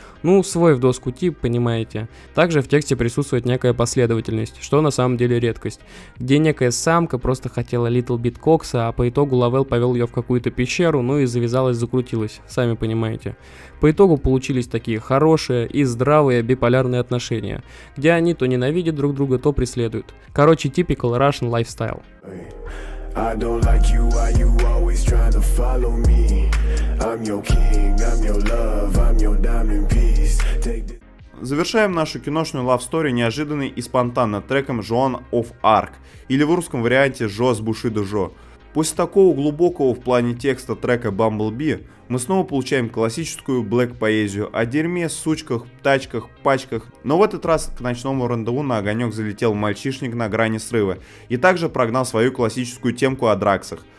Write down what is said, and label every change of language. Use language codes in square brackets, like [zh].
[ru] Ну, свой в доску тип, понимаете. Также в тексте присутствует некая последовательность, что на самом деле редкость. Где некая самка просто хотела [en] Little Bit [ru] Кокса, а по итогу Лавелл повел ее в какую-то пещеру, ну и завязалась-закрутилась, сами понимаете. По итогу получились такие хорошие и здравые биполярные отношения, где они то ненавидят друг друга, то преследуют. Короче, [en] typical Russian lifestyle. I don't like you, why you always trying to follow me? I'm your king, I'm your love, I'm your diamond piece. [ru] Завершаем нашу киношную love story неожиданно и спонтанно треком Joan of Arc, или в русском варианте Жо с Буши до Жо. После такого глубокого в плане текста трека Bumblebee, мы снова получаем классическую блэк-поэзию о дерьме, сучках, тачках, пачках, но в этот раз к ночному рандеву на огонек залетел мальчишник на грани срыва и также прогнал свою классическую темку о драксах.